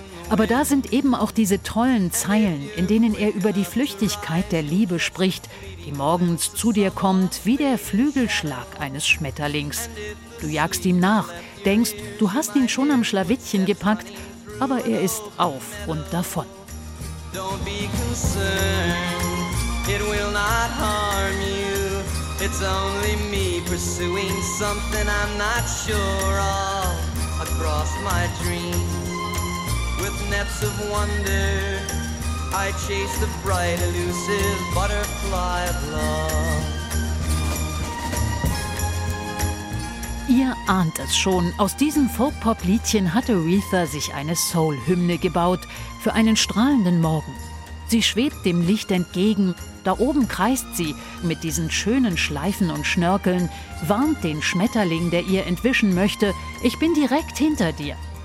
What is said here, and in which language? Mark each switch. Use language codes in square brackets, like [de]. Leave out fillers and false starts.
[de] Aber da sind eben auch diese tollen Zeilen, in denen er über die Flüchtigkeit der Liebe spricht, die morgens zu dir kommt wie der Flügelschlag eines Schmetterlings. Du jagst ihm nach, denkst, du hast ihn schon am Schlawittchen gepackt, aber er ist auf und davon. [en] Don't be concerned, it will not harm you. It's only me pursuing something I'm not sure of. Across my dreams, with nets of wonder, I chase the bright, elusive butterfly of love. [de] Ihr ahnt es schon, aus diesem Folk-Pop-Liedchen hatte Aretha sich eine Soul-Hymne gebaut für einen strahlenden Morgen. Sie schwebt dem Licht entgegen, da oben kreist sie mit diesen schönen Schleifen und Schnörkeln, warnt den Schmetterling, der ihr entwischen möchte, ich bin direkt hinter dir.